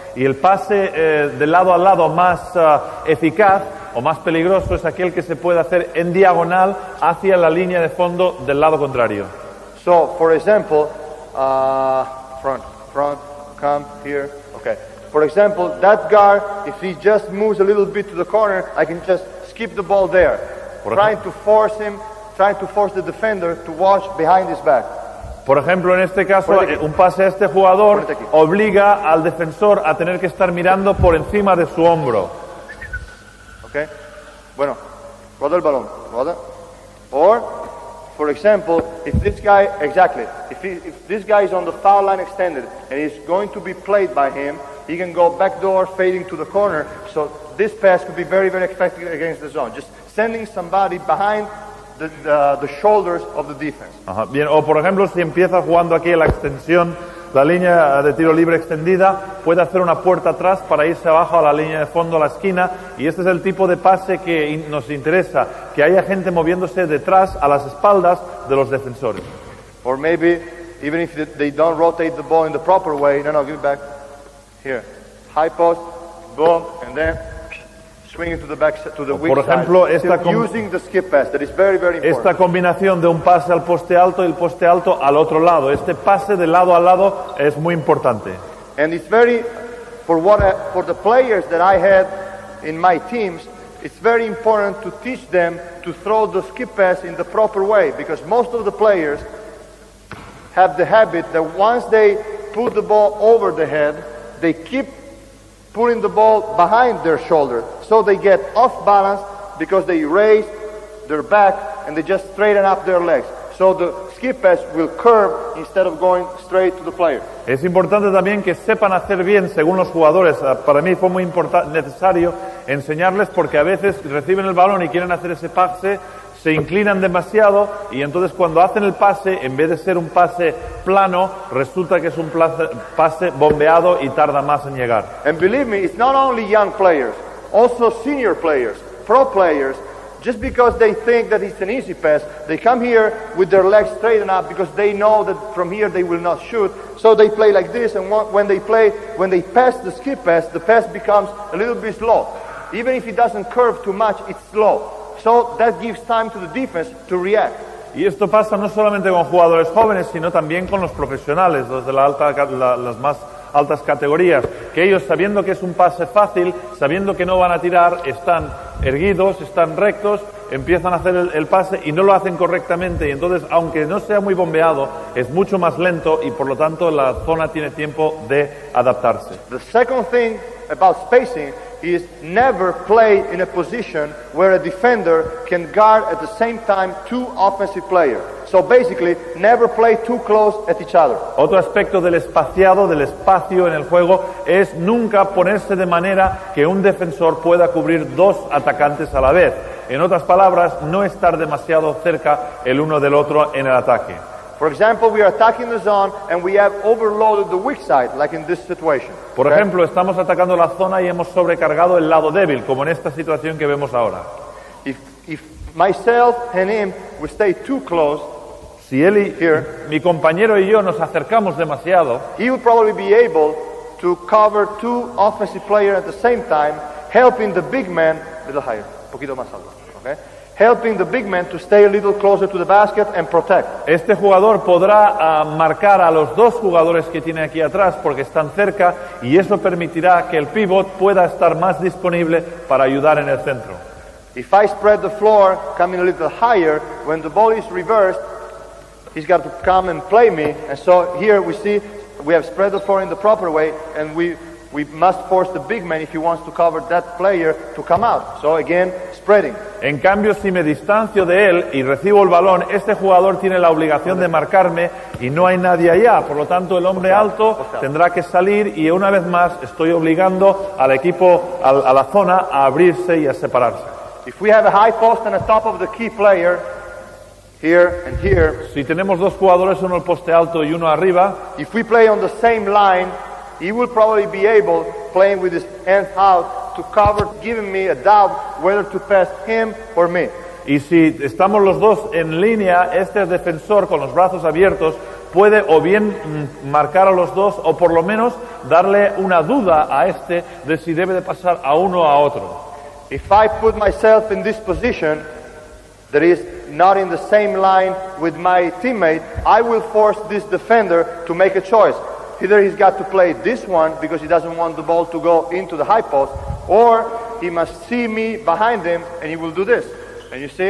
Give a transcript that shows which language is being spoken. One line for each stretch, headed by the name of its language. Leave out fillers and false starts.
Spanish: Y el pase de lado a lado más eficaz o más peligroso es aquel que se puede hacer en diagonal hacia la línea de fondo del lado contrario.
English: So, for example, front, come here, okay. For example, that guard, if he just moves a little bit to the corner, I can just skip the ball there, trying to force the defender to watch behind his back.
Spanish: Por ejemplo, en este caso, un pase a este jugador obliga al defensor a tener que estar mirando por encima de su hombro. Okay. Bueno, roda el balón. Roda.
English: Or, for example, if this guy is on the foul line extended and he's going to be played by him, he can go backdoor fading to the corner. So this pass could be very, very effective against the zone. Just sending somebody behind the shoulders of the defense. Ajá.
Spanish: Bien, o por ejemplo, si empieza jugando aquí la extensión, la línea de tiro libre extendida, puede hacer una puerta atrás para irse abajo a la línea de fondo, a la esquina, y este es el tipo de pase que nos interesa, que haya gente moviéndose detrás, a las espaldas de los defensores.
English: Or maybe, even if they don't rotate the ball in the proper way, no, give it back, here, high post, boom, and then swing into the back to the weak.
Spanish: Por ejemplo, esta
English: using the skip pass that is very, very important.
Spanish: Esta combinación de un pase al poste alto y el poste alto al otro lado, este pase de lado a lado es muy importante.
English: And it's very for the players that I had in my teams, it's very important to teach them to throw the skip pass in the proper way, because most of the players have the habit that once they put the ball over the head, they keep pulling the ball behind their shoulder, so they get off balance because they raise their back and they just straighten up their legs. So the skip pass will curve instead of going straight to the player.
Spanish: Es importante también que sepan hacer bien según los jugadores. Para mí fue muy necesario enseñarles porque a veces reciben el balón y quieren hacer ese pase, se inclinan demasiado y entonces cuando hacen el pase, en vez de ser un pase plano, resulta que es un pase bombeado y tarda más en llegar.
English: And believe me, it's not only young players, also senior players, pro players, just because they think that it's an easy pass, they come here with their legs straightened up because they know that from here they will not shoot, so they play like this, and when they pass the skip pass, the pass becomes a little bit slow. Even if it doesn't curve too much, it's slow. So that gives time to the defense to react.
Spanish: Y esto pasa no solamente con jugadores jóvenes, sino también con los profesionales, los de las más altas categorías, que ellos, sabiendo que es un pase fácil, sabiendo que no van a tirar, están erguidos, están rectos, empiezan a hacer el pase y no lo hacen correctamente. Y entonces, aunque no sea muy bombeado, es mucho más lento y por lo tanto la zona tiene tiempo de adaptarse.
English: The second thing about spacing is never play in a position where a defender can guard at the same time two offensive players. So basically, never play too close at each other.
Spanish: Otro aspecto del espaciado, del espacio en el juego, es nunca ponerse de manera que un defensor pueda cubrir dos atacantes a la vez. En otras palabras, no estar demasiado cerca el uno del otro en el ataque.
English: For example, we are attacking the zone and we have overloaded the weak side, like in this situation.
Spanish: Por ejemplo, estamos atacando la zona y hemos sobrecargado el lado débil, como en esta situación que vemos ahora.
English: If myself and him we stay too close,
Spanish: si él y here, mi compañero y yo nos acercamos demasiado,
English: he would probably be able to cover two offensive players at the same time, helping the big man a little higher,
Spanish: poquito más alto,
English: okay? Helping the big man to stay a little closer to the basket and protect.
Spanish: Este jugador podrá marcar a los dos jugadores que tiene aquí atrás porque están cerca y eso permitirá que el pivot pueda estar más disponible para ayudar en el centro.
English: If I spread the floor coming a little higher when the ball is reversed, he's got to come and play me, and so here we see we have spread the floor in the proper way and we must force the big man if he wants to cover that player to come out. So again, spreading.
Spanish: En cambio, si me distancio de él y recibo el balón, este jugador tiene la obligación de marcarme y no hay nadie allá. Por lo tanto, el hombre alto tendrá que salir y una vez más estoy obligando al equipo, a la zona, a abrirse y a separarse.
English: If we have a high post and a top of the key player, here and here.
Spanish: Si tenemos dos jugadores, uno al poste alto y uno arriba.
English: If we play on the same line, he will probably be able, playing with his hands out, to cover, giving me a doubt whether to pass him or me.
Spanish: Y si estamos los dos en línea, este defensor con los brazos abiertos puede o bien marcar a los dos o por lo menos darle una duda a este de si debe de pasar a uno o a otro.
English: If I put myself in this position that is not in the same line with my teammate, I will force this defender to make a choice. Either he's got to play this one because he doesn't want the ball to go into the high post, or he must see me behind him and he will do this. And you see?